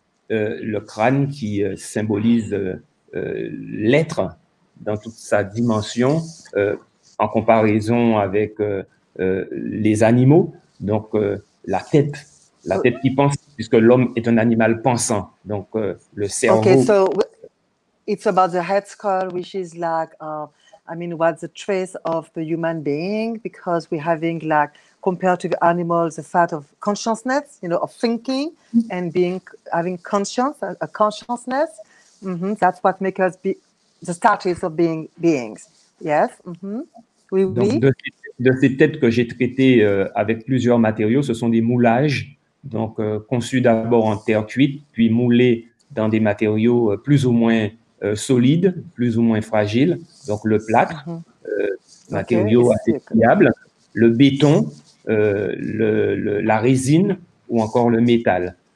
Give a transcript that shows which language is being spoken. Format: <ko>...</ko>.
<fr>Le crâne qui symbolise l'être dans toute sa dimension en comparaison avec les animaux. Donc, la tête. La tête qui pense, puisque l'homme est un animal pensant. Donc, le cerveau.</fr> <en>Okay, so it's about the head skull, which is like... I mean, what's the trace of the human being? Because we're having, like, compared to the animals, the fact of consciousness, you know, of thinking and being having conscience, a consciousness. Mm-hmm. That's what makes us be the status of being beings. Yes. Mm-hmm.</en> <fr>Oui, oui. Donc, de ces têtes que j'ai traitées avec plusieurs matériaux, ce sont des moulages, donc conçus d'abord en terre cuite, puis moulés dans des matériaux plus ou moins solide, plus ou moins fragile, donc le plâtre, matériau assez friable, le béton, la résine ou encore le métal.</fr>